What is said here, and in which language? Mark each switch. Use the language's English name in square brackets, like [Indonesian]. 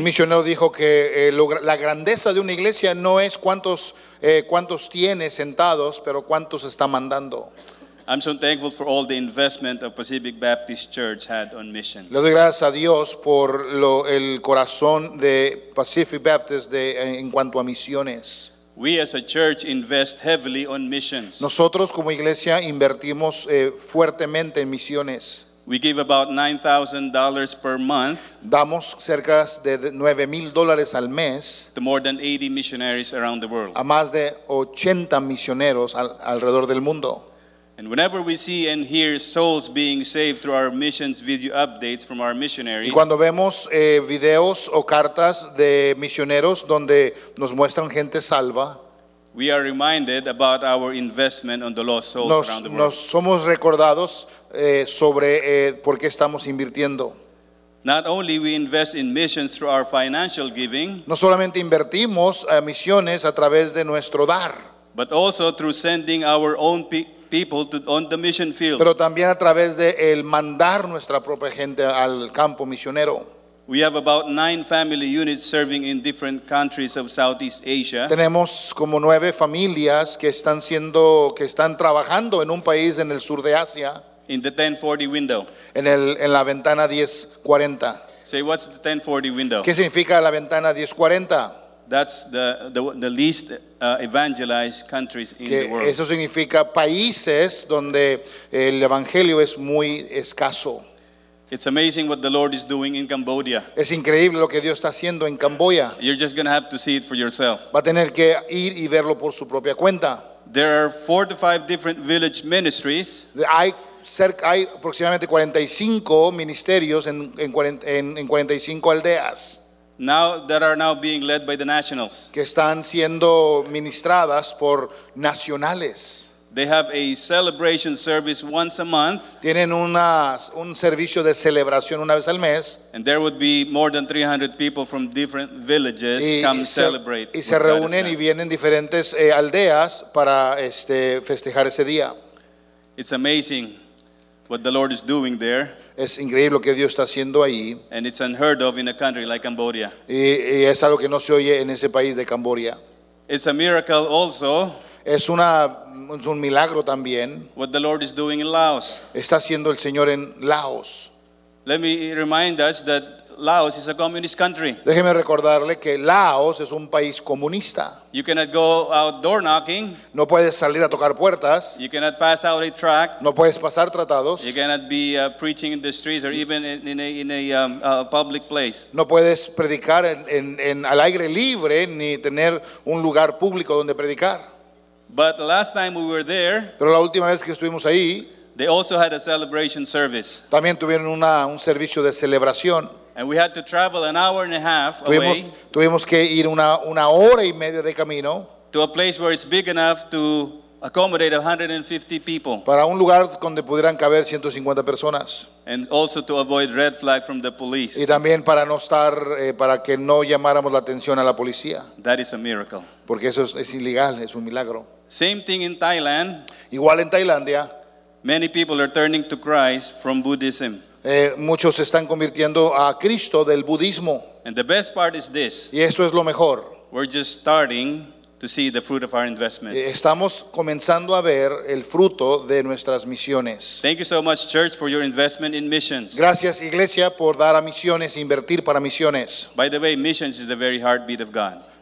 [Spanish] Un misionero dijo que la grandeza de una iglesia no es cuántos tiene sentados, pero cuántos está mandando. [English] I'm so thankful for all the investment of Pacific Baptist Church had on missions. [Spanish] Le doy gracias a Dios por el corazón de Pacific Baptist en cuanto a misiones. [English] We as a church invest heavily on missions. [Spanish] Nosotros como iglesia invertimos fuertemente en misiones. [English] We give about $9,000 per month. [Spanish] Damos cerca de $9,000 al mes. [English] To more than 80 missionaries around the world. [Spanish] A más de 80 misioneros alrededor del mundo. [English] And whenever we see and hear souls being saved through our missions video updates from our missionaries. [Spanish] Y cuando vemos videos o cartas de misioneros donde nos muestran gente salva. [English] We are reminded about our investment on the lost souls around the world. [Spanish] Nos somos recordados sobre por qué estamos invirtiendo. [English] Not only we invest in missions through our financial giving. [Spanish] No solamente invertimos a misiones a través de nuestro dar. [English] But also through sending our own people to on the mission field. [Spanish] Pero también a través de el mandar nuestra propia gente al campo misionero. [English] We have about 9 family units serving in different countries of Southeast Asia. [Spanish] Tenemos como 9 familias que están trabajando en un país en el sur de Asia. [English] In the 1040 window. [Spanish] En la ventana 1040. [English] Say, what's the 1040 window? [Spanish] ¿Qué significa la ventana 1040? [English] That's the least evangelized countries in [Spanish] que [English] the world. [Spanish] Eso significa países donde el evangelio es muy escaso. [English] It's amazing what the Lord is doing in Cambodia. [Spanish] Es increíble lo que Dios está haciendo en Camboya. [English] You're just going to have to see it for yourself. [Spanish] Va a tener que ir y verlo por su propia cuenta. [English] There are 4 to 5 different village ministries. [Spanish] Hay aproximadamente 45 ministerios en 45 aldeas. [English] Now that are now being led by the nationals. [Spanish] Que están siendo ministradas por nacionales. [English] They have a celebration service once a month. [Spanish] Tienen un servicio de celebración una vez al mes. [English] And there would be more than 300 people from different villages celebrate. [Spanish] Y se reúnen y vienen diferentes aldeas para festejar ese día. [English] It's amazing what the Lord is doing there. [Spanish] Es increíble lo que Dios está haciendo ahí. [English] And it's unheard of in a country like Cambodia. [Spanish] Y es algo que no se oye en ese país de Cambodia. [English] It's a miracle also. [Spanish] Es un milagro también. [English] What the Lord is doing in Laos. [Spanish] Está haciendo el Señor en Laos. [English] Let me remind us that Laos is a communist country. [Spanish] Déjeme recordarle que Laos es un país comunista. [English] You cannot go out door knocking. [Spanish] No puedes salir a tocar puertas. [English] You cannot pass out a tract. [Spanish] No puedes pasar tratados. [English] You cannot be preaching in the streets or even in a public place. [Spanish] No puedes predicar en al aire libre ni tener un lugar público donde predicar. [English] But the last time we were there. [Spanish] Pero la última vez que estuvimos ahí. [English] They also had a celebration service. [Spanish] También tuvieron un servicio de celebración. [English] And we had to travel an hour and a half away. [Spanish] Tuvimos que ir una hora y media de camino. [English] To a place where it's big enough to accommodate 150 people. [Spanish] Para un lugar donde pudieran caber 150 personas. [English] And also to avoid red flag from the police. [Spanish] Y también para no estar para que no llamáramos la atención a la policía. [English] That is a miracle. [Spanish] Porque eso es ilegal, es un milagro. [English] Same thing in Thailand. [Spanish] Igual en Tailandia. [English] Many people are turning to Christ from Buddhism. [Spanish] Muchos se están convirtiendo a Cristo del budismo. [English] And the best part is this. [Spanish] Y esto es lo mejor. [English] We're just starting to see the fruit of our investments. [Spanish] Estamos comenzando a ver el fruto de nuestras misiones. [English] Thank you so much, church, for your investment in missions. [Spanish] Gracias, iglesia, por dar a misiones, invertir para misiones. [English] By the way, missions is the very heartbeat of God.